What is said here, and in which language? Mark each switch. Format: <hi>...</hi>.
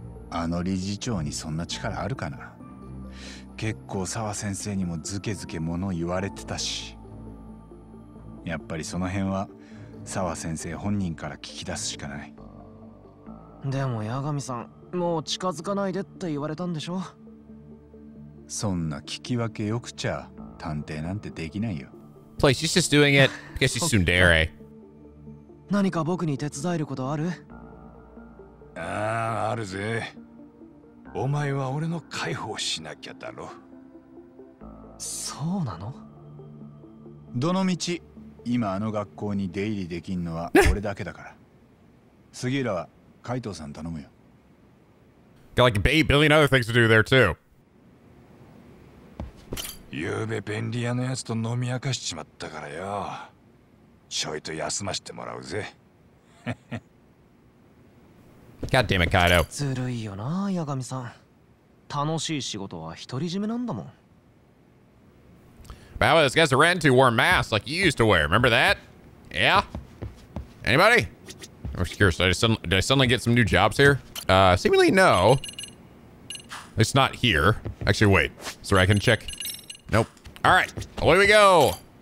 <ja>あの理事長にそんな力あるかな。結構沢先生にもずけずけ物言われてたし。やっぱりその辺は沢先生本人から聞き出すしかない。でも八神さん、もう近づかないでって言われたんでしょ。そんな聞き分けよくちゃ探偵なんてできないよ。</ja> <en>Please, she's just doing it because she's tsundere.</en> <ja>何か僕に手伝えることある？ああ、あるぜ。お前は俺の解放しなきゃだろ。そうなの？どの道今あの学校に出入りできんのは俺だけだから。杉浦は海藤さん頼むよ。</ja> <en>Got like a billion other things to do there too.</en> <ja>昨夜便利屋のやつと飲み明かしちまったからよ。ちょいと休ましてもらうぜ。</ja> <en>God damn it, Kaido.</en> <ja>ずるいよな、八神さん。楽しい仕事は独り占めなんだもん。</ja> <en>How about those guys who ran to wear masks like you used to wear? Remember that? Yeah? Anybody? I'm just curious. Did I suddenly get some new jobs here? Seemingly no. It's not here. Actually, wait. Sorry, I can check. Nope. All right. Away we go.</en>